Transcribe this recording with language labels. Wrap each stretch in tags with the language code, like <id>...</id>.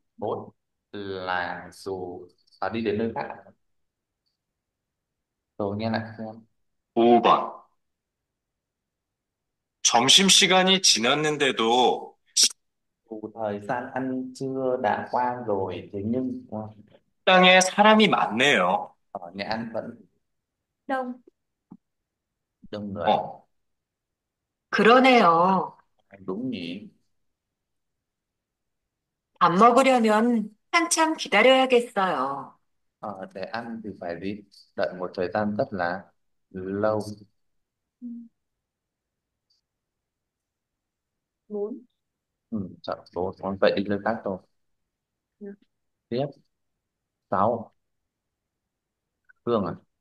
<vi>Bốn là dù à, đi đến nơi khác rồi nghe lại xem.</vi> <ko>5번. 점심시간이 지났는데도</ko> <vi>Thời gian ăn trưa đã qua rồi thế nhưng</vi> <ko>식당에 사람이 많네요.</ko> <vi>ở nhà ăn vẫn đông. đông người.</vi> <ko>그러네요.</ko> <vi>đúng nhỉ.</vi> <ko>밥 먹으려면 한참 기다려야겠어요.</ko> <vi>À, để ăn thì phải đi đợi một thời gian rất là lâu. Muốn. Ừ, chọn số con vậy đi nơi khác rồi. Tiếp 6. Phương à?</vi>